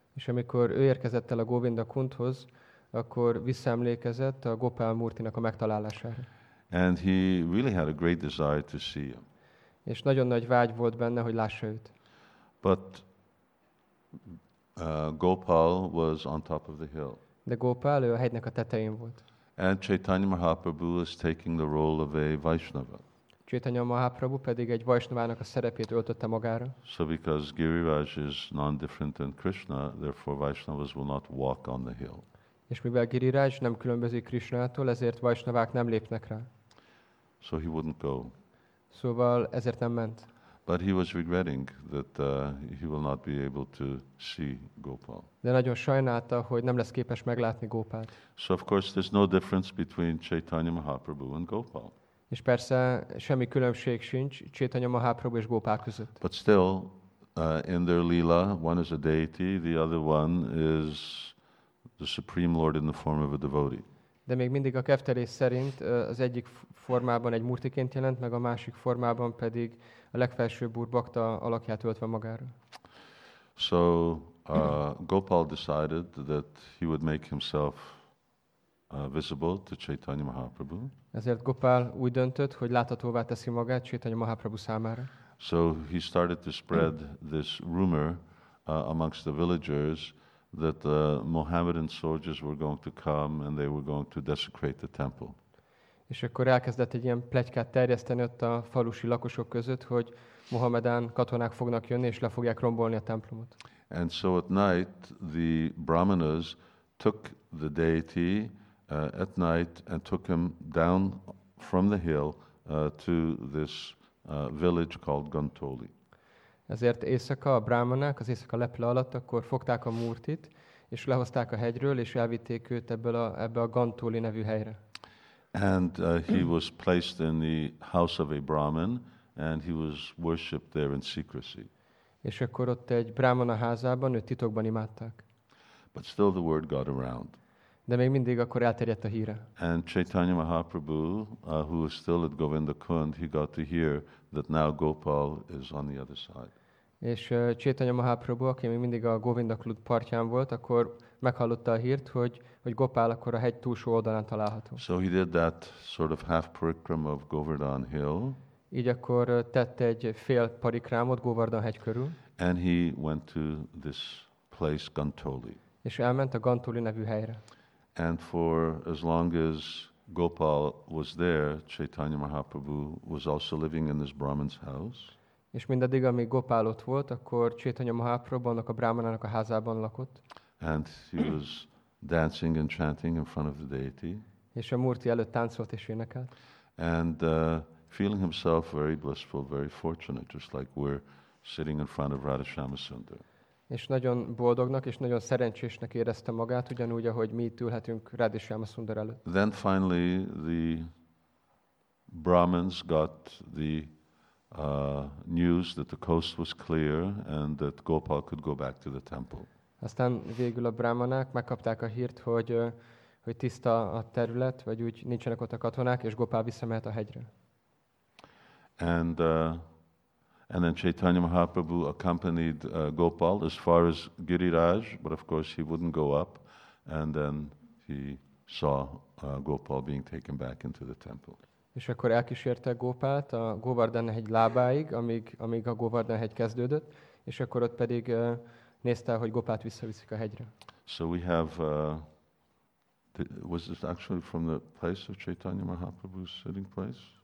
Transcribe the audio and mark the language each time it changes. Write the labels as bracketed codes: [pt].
[hu] És amikor ő érkezett el a Govindakundhoz, akkor visszaemlékezett a Gopal Murtinak a megtalálására. [en] And he really had a great desire to see him. [hu] És nagyon nagy vágy volt benne, hogy lássa őt. [en] But Gopal was on top of the hill. [hu] De Gopal, ő a hegynek a tetején volt. [en] And Chaitanya Mahaprabhu is taking the role of a Vaishnava. [hu] Chaitanya Mahaprabhu pedig egy Vaishnavának a szerepét öltötte magára. [en] So because Giriraj is non-different than Krishna, therefore Vaishnavas will not walk on the hill. [hu] És mivel Giriraj nem különbözik Krishnától, ezért Vaishnavák nem lépnek rá. [en] So he wouldn't go. [hu] Szóval ezért nem ment. [en] But he was regretting that he will not be able to see Gopal. [hu] De nagyon sajnálta, hogy nem lesz képes meglátni Gopalt. [en] So of course there's no difference between Chaitanya Mahaprabhu and Gopal. [hu] És persze semmi különbség sincs Chaitanya Mahaprabhu és Gópák között. [en] But still, in their lila, one is a deity, the other one is the Supreme Lord in the form of a devotee. [hu] De még mindig a keftelés szerint az egyik formában egy murtiként jelent, meg a másik formában pedig a legfelsőbb úr bhakta alakját öltve magára. [en] So Gopal decided that he would make himself visible to Chaitanya Mahaprabhu. [hu] Ezért Gopal úgy döntött, hogy láthatóvá teszi magát Chaitanya Mahaprabhu számára. [en] So he started to spread this rumor amongst the villagers that the Mohammedan soldiers were going to come and they were going to desecrate the temple. [hu] És akkor elkezdett egy ilyen pletykát terjeszteni ott a falusi lakosok között, hogy Mohammedán katonák fognak jönni és le fogják rombolni a templomot. [en] And so at night the brahmanas took the deity at night and took him down from the hill to this village called Gantoli. [hu] Ezért éjszaka a brahmanák, az éjszaka leple alatt, akkor fogták a murtit, és lehozták a hegyről, és elvitték őt ebbe a Gantoli nevű helyre. [en] And he was placed in the house of a brahmin, and he was worshipped there in secrecy. [hu] És akkor ott egy brahmana házában, őt titokban imádták. [en] But still the word got around. [hu] De még mindig akkor elterjedt a híre. [en] And Chaitanya Mahaprabhu, who was still at Govinda Kund, he got to hear that now Gopal is on the other side. [hu] És Chaitanya Mahaprabhu, aki még mindig a Govinda Kund partján volt, akkor meghallotta a hírt, hogy Gopal akkor a hegy túlsó oldalán található. [en] So he did that sort of half parikram of Govardhan Hill. [hu] Így akkor tett egy fél parikrámot Govardhan hegy körül. [en] And he went to this place Gantoli. [hu] És elment a Gantoli nevű helyre. [en] And for as long as Gopal was there, Chaitanya Mahaprabhu was also living in this Brahmin's house. [hu] És mindaddig, amíg Gopal ott volt, akkor Chaitanya Mahaprabhu annak a brahmanának a házában lakott. [en] And he was dancing and chanting in front of the deity. [hu] És a murti előtt táncolt és énekelt. [en] And feeling himself very blissful, very fortunate, just like we're sitting in front of Radhasyama Sundar. [hu] És nagyon boldognak és nagyon szerencsésnek érezte magát, ugyanúgy, ahogy mi itt ülhetünk Radhasyama Sundar előtt. [en] Then finally the Brahmins got the news that the coast was clear and that Gopal could go back to the temple. [hu] Aztán végül a brahmanák megkapták a hírt, hogy tiszta a terület, vagy úgy nincsenek ott a katonák, és Gopal visszamehet a hegyre. [en] And then Chaitanya Mahaprabhu accompanied Gopal as far as Giriraj, but of course he wouldn't go up. And then he saw Gopal being taken back into the temple. [hu] És akkor elkísérte Gopalt a Govardhan-hegy lábáig, amíg a Govardhan-hegy kezdődött, és akkor ott pedig nézte, hogy Gopalt visszaviszik a hegyre. [en] So we have, was this actually from the place of Chaitanya Mahaprabhu's sitting place?